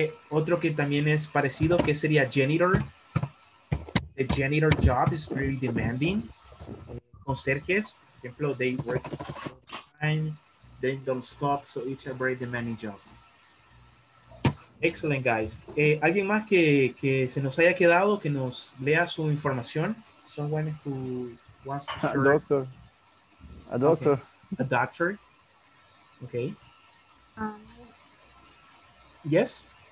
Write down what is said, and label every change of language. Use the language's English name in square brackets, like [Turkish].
[Spanish] Otro que también es parecido, que sería janitor. [English] The janitor job is very demanding. Conserjes, for example, they work fine, they don't stop, so it's a very demanding job. Excellent, guys. [Spanish] ¿Alguien más que se nos haya quedado, que nos lea su información? [English] Someone who wants to share. A doctor. Okay. A doctor. Okay. Yes?